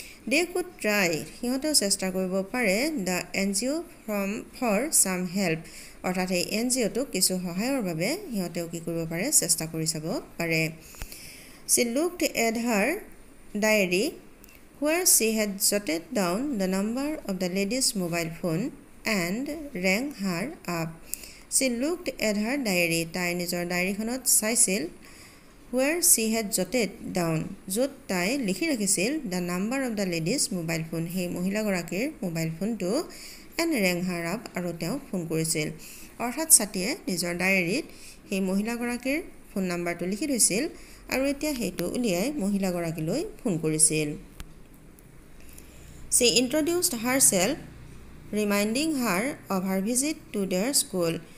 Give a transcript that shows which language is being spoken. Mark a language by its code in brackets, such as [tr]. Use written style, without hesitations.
[en] they could try [as] সিহঁতেও চেষ্টা কৰিব পাৰে [en] the N G O' from for some help [as] অৰ্থাৎ এই এন জি অ'টোক কিছু সহায়ৰ বাবে সিহঁতেও কি কৰিব পাৰে চেষ্টা কৰি চাব পাৰে [en] She looked at her diary where she had jotted down the number of the lady's mobile phone and rang her up She looked at her diary. [as] তাই নিজৰ ডায়েৰীখনত চাইছিল [en] where she had jotted down. [as] য'ত তাই লিখি ৰাখিছিল [en] the number of the lady's mobile phone. [as] সেই মহিলাগৰাকীৰ mobile ফোনটো [en] and rang her up [as] আৰু তেওঁ ফোন কৰিছিল অৰ্থাৎ সতীয়ে নিজৰ ডায়েৰীত সেই মহিলাগৰাকীৰ ফোন নাম্বাৰটো লিখি থৈছিল আৰু এতিয়া সেইটো উলিয়াই মহিলাগৰাকীলৈ ফোন কৰিছিল [en] She introduced herself, reminding her of her visit to their school.